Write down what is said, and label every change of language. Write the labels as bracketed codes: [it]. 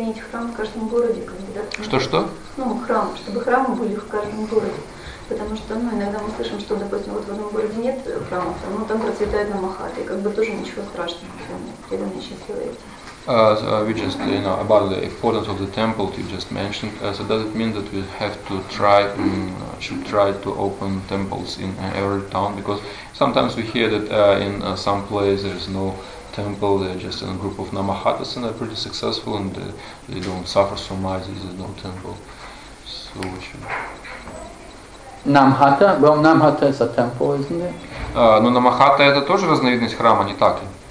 [ru] Значит, это, что мы должны стараться сохранить храм в каждом городе, когда. Что? Ну, храм, чтобы храмы были в каждом городе. Потому что, ну, иногда мы слышим, что, допустим, вот в одном городе нет храмов, но там процветает намахата, и как бы тоже ничего страшного, когда мы счастливы. [en] We just, you know, about the importance of the temple you just mentioned. So does it mean that we have to try, should try to open temples in every town? Because sometimes we hear that in some place there is no temple, there is just a group of Namahatas and they are pretty successful and they don't suffer so much, there is no temple. So we should... Namahata? Well, Namahata is a temple, isn't it? [ru] Но Namahata — это тоже разновидность храма, не так ли?